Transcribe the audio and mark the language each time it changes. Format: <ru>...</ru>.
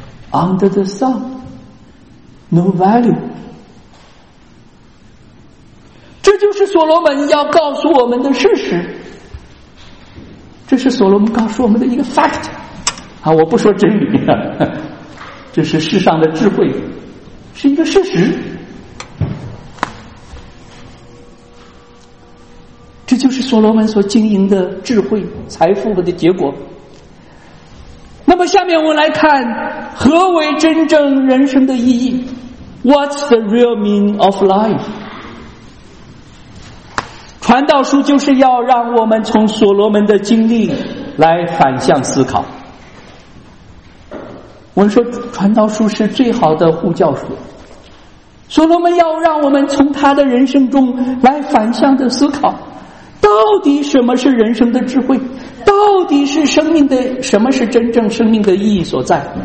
<en>Under the sun no value，</en> <zh>这就是所罗门要告诉我们的事实，这是所罗门告诉我们的一个 fact 啊，我不说真理啊，这是世上的智慧，是一个事实。这就是所罗门所经营的智慧财富的结果。那么下面我们来看，何为真正人生的意义？</zh> <en>What's the real meaning of life？</en> <zh>传道书就是要让我们从所罗门的经历来反向思考。我说传道书是最好的护教书，所罗门要让我们从他的人生中来反向的思考，到底什么是人生的智慧，到底是生命的什么是真正生命的意义所在。</zh>